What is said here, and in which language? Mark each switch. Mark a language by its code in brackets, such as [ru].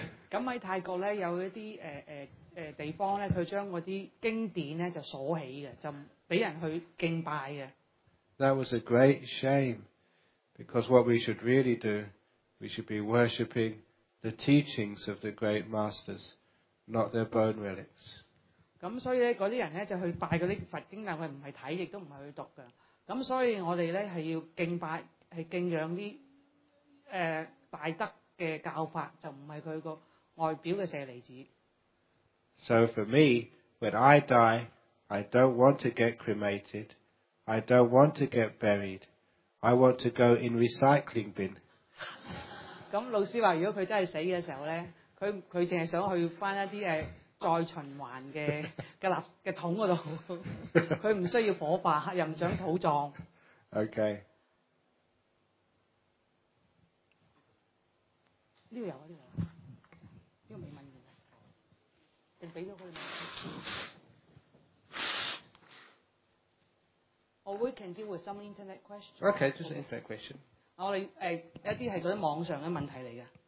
[yue] 咁喺泰國咧，有一啲地方咧，佢將嗰啲經典咧就鎖起嘅，就俾人去敬拜嘅。 [en] That was a great shame, because what we should really do, we should be worshipping the teachings of the great masters, not their bone relics. [yue] 咁所以咧，嗰啲人咧就去拜嗰啲佛经，但佢唔系睇，亦都唔系去读噶。咁所以我哋咧系要敬拜，系敬仰啲大德嘅教法，就唔系佢个外表嘅舍利子。 [en] So for me, when I die, I don't want to get cremated. I don't want to get buried. I want to go in recycling bin. [yue] 咁老師話，如果佢真係死嘅時候咧，佢淨係想去翻一啲再循環嘅桶嗰度，佢唔需要火化，又唔想土葬。 [en] Okay. [yue] 呢個有啊，呢個有，呢個未問完，定俾咗佢。 [en] Or we can deal with some internet questions. Okay, just an internet question. [yue] 我哋一啲係嗰啲網上嘅問題嚟嘅。